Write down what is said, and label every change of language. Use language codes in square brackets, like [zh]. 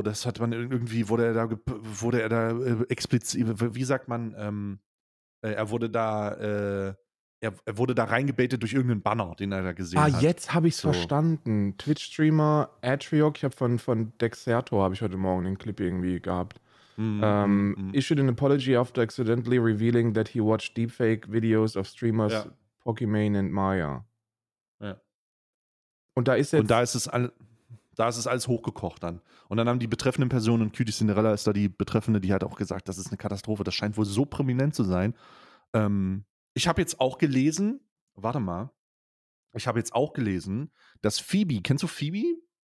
[de] Das hat man irgendwie, wurde er da explizit, wie sagt man, er wurde da reingebaitet durch irgendeinen Banner, den er da gesehen hat. Ah, jetzt habe ich es verstanden. Twitch-Streamer Atriok, ich habe von Dexerto, habe ich heute Morgen den Clip irgendwie gehabt. [en] Issued an apology after accidentally revealing that he watched deepfake videos of streamers Pokimane and Maya. [de] Ja. Und da ist jetzt. Und da ist es alles hochgekocht dann. Und dann haben die betreffenden Personen, und Cutie Cinderella ist da die Betreffende, die hat auch gesagt, das ist eine Katastrophe, das scheint wohl so prominent zu sein, Ich habe jetzt auch gelesen, warte mal, ich habe jetzt auch gelesen, dass Phoebe, kennst du Phoebe?